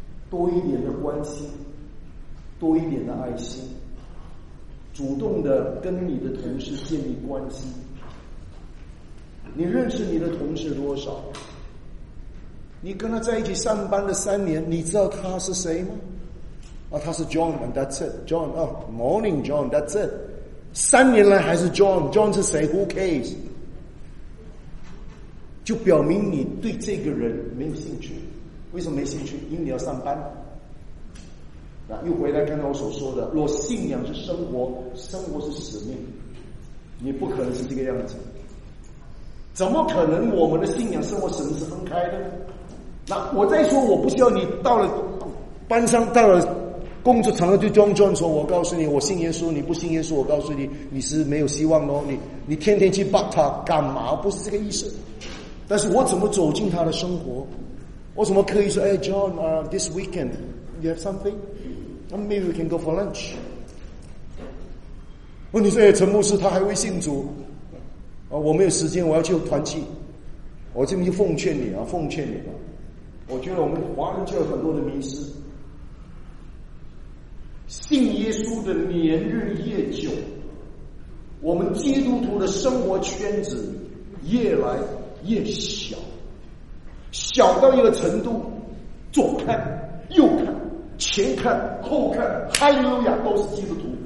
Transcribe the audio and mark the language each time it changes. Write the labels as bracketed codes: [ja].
[zh] 多一点的关心，多一点的爱心，主动的跟你的同事建立关系。你认识你的同事多少？你跟他在一起上班了三年，你知道他是谁吗？啊，他是 [en] John and that's it John、oh, Morning John that's it [zh] 三年来还是 [en] John John [zh] 是谁 [en] Who cares [zh] 就表明你对这个人没有兴趣。为什么没兴趣？因为你要上班。那又回来刚刚我所说的，若信仰是生活，生活是使命，你不可能是这个样子。怎么可能我们的信仰生活使命是分开的？那我再说，我不需要你到了班上，到了工作场合就装装说，我告诉你，我信耶稣，你不信耶稣，我告诉你，你是没有希望的。你天天去帮他干嘛？不是这个意思。但是我怎么走进他的生活？我怎么可以说，哎 [en] ，John， this weekend you have something， maybe we can go for lunch？ [zh] 问题是，哎，陈牧师他还未信主，我没有时间，我要去团契。我这边就奉劝你啊，奉劝你吧。我觉得我们华人就有很多的迷失。信耶稣的年日越久，我们基督徒的生活圈子越来越小，小到一个程度，左看右看，前看后看，哈利路亚都是基督徒。